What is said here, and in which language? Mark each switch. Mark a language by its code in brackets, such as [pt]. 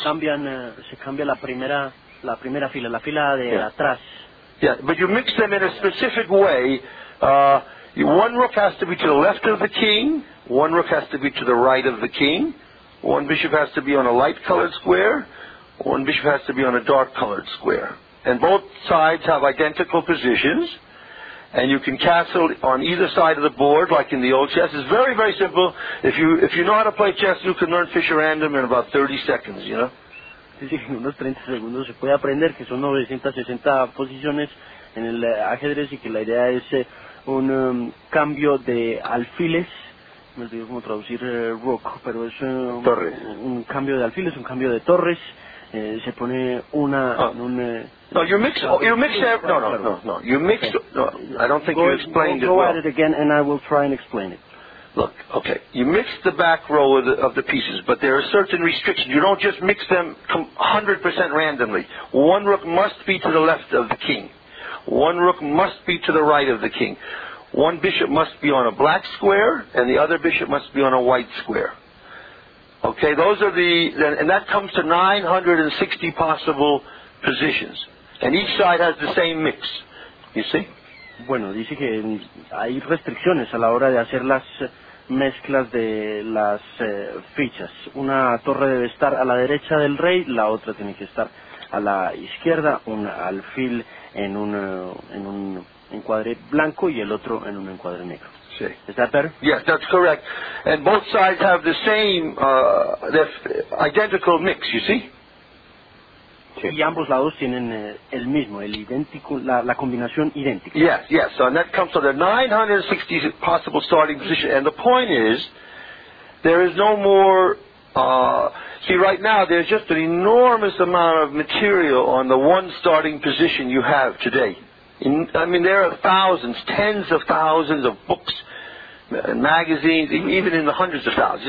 [es] Se cambia la primera fila, la fila de atrás. [en] Yeah, but you mix them in a specific way. One rook has to be to the left of the king. One rook has to be to the right of the king. One bishop has to be on a light-colored square. One bishop has to be on a dark-colored square. And both sides have identical positions. And you can castle on either side of the board, like in the old chess. It's very, very simple. If you know how to play chess, you can learn Fischer Random in about 30 seconds, you know? [es] Sí, en unos 30 segundos se puede aprender que son 960 posiciones en el ajedrez y que la idea es un cambio de alfiles. Me olvidé cómo traducir rook, pero es un cambio de alfiles, un cambio de torres. Se pone una en un... [en] No, you mix. I don't think you explained it well. Go at it again, and I will try and explain it. Look, okay, you mix the back row of the pieces, but there are certain restrictions. You don't just mix them 100% randomly. One rook must be to the left of the king. One rook must be to the right of the king. One bishop must be on a black square, and the other bishop must be on a white square. Okay, those are and that comes to 960 possible positions. And each side has the same mix. You see? [es] Bueno, dice que hay restricciones a la hora de hacer las mezclas de las fichas. Una torre debe estar a la derecha del rey, la otra tiene que estar a la izquierda, un alfil en un encuadre blanco y el otro en un encuadre negro. Sí. [en] Is that better? Yes, that's correct. And both sides have the same, identical mix, you see? [es] Sí. Y ambos lados tienen el mismo, el idéntico, la combinación idéntica. [en] Yes, so, and that comes to the 960 possible starting position. And the point is, there is no more... See, right now, there's just an enormous amount of material on the one starting position you have today. There are thousands, tens of thousands of books and magazines, even in the hundreds of thousands.